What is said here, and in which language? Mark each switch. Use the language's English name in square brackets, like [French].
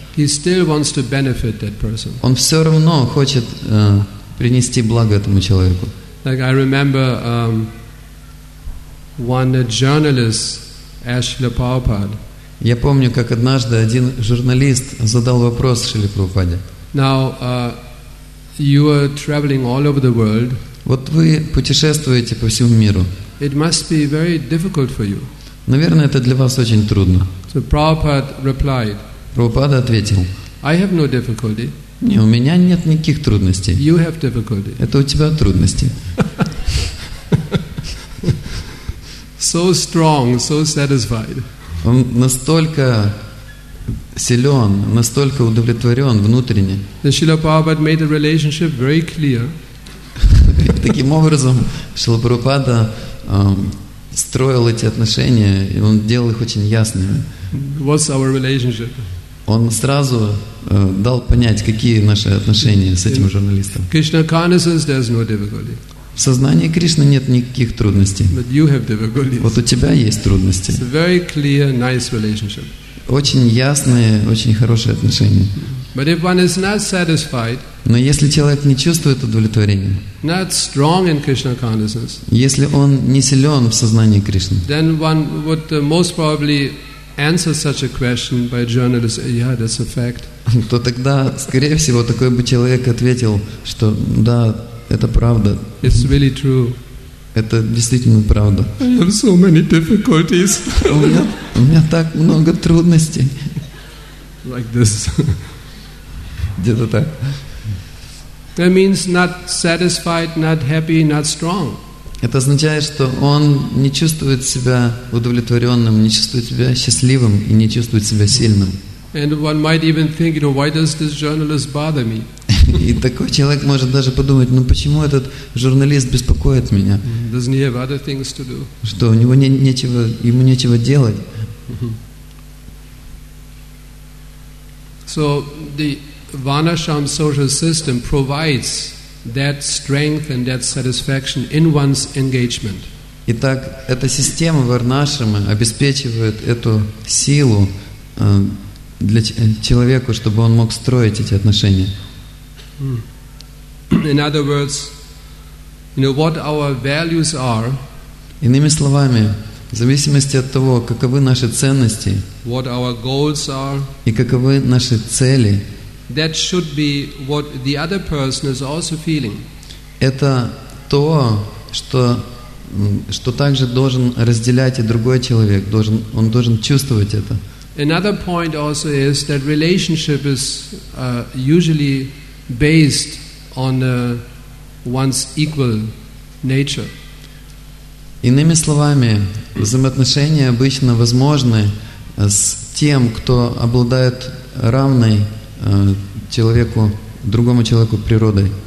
[English] he still wants to benefit that person. [Russian] Он все равно хочет принести благо этому человеку. [English] Like I remember one journalist asked Srila Prabhupada. [Russian] Я помню, как однажды один журналист задал вопрос Шриле Прабхупаде. [English] Now you are traveling all over the world. [Russian] Вот вы путешествуете по всему миру. [English] It must be very difficult for you. [Russian] Наверное, это для вас очень трудно. [English] So Prabhupada replied. [Russian] Прабхупада ответил. [English] I have no difficulty. [Russian] Не, у меня нет никаких трудностей. [English] You have difficulty. [Russian] Это у тебя трудности. [English] So strong, so satisfied. [Russian] Он настолько силен, настолько удовлетворен внутренне. [English] The Srila Prabhupada made the relationship very clear. [Russian] Таким образом, Шрила Прабхупада строил эти отношения, и он делал их очень ясными. [English] What's our relationship? [Russian] Он сразу дал понять, какие наши отношения с этим журналистом. [English] Krishna consciousness, there's no difficulty. [Russian] В сознании Кришны нет никаких трудностей. [English] But you have difficulties. [Russian] Вот у тебя есть трудности. [English] It's a very clear, nice relationship. [Russian] Очень ясные, очень хорошие отношения. [English] But if one is not satisfied, [Russian] но если человек не чувствует удовлетворения, [English] not strong in Krishna consciousness, [Russian] если он не силен в сознании Кришны, [English] then one would most probably answer such a question by a journalist, yeah, that's a fact. [Russian] То тогда, скорее всего, такой бы человек ответил, что да, это правда. [English] It's really true. [Russian] Это действительно правда. [English] I have so many difficulties. [Russian] У меня так много трудностей. [English] Like this. [Russian] Где-то так. [English] That means not satisfied, not happy, not strong. [Russian] Это означает, что он не чувствует себя удовлетворенным, не чувствует себя счастливым и не чувствует себя сильным. [English] And one might even think, you know, why does this journalist bother me? [Russian] И такой человек может даже подумать, ну почему этот журналист беспокоит меня? [English] Doesn't he have other things to do? [Russian] Что у него нечего, ему нечего делать? [English] So the Varnasham social system provides that strength and that satisfaction in one's engagement. [Russian] Итак, эта система Варнашрама обеспечивает эту силу для человека, чтобы он мог строить эти отношения. [English] In other words, you know what our values are. [Russian] Иными словами, в зависимости от того, каковы наши ценности, [English] what our goals are, [Russian] и каковы наши цели, [English] that should be what the other person is also feeling. [Russian] Это то, что также должен разделять и другой человек, он должен чувствовать это. [English] Another point also is that relationship is usually based on one's equal nature. [Russian] Иными словами, взаимоотношения обычно возможны с тем, кто обладает равной человеку, другому человеку природой.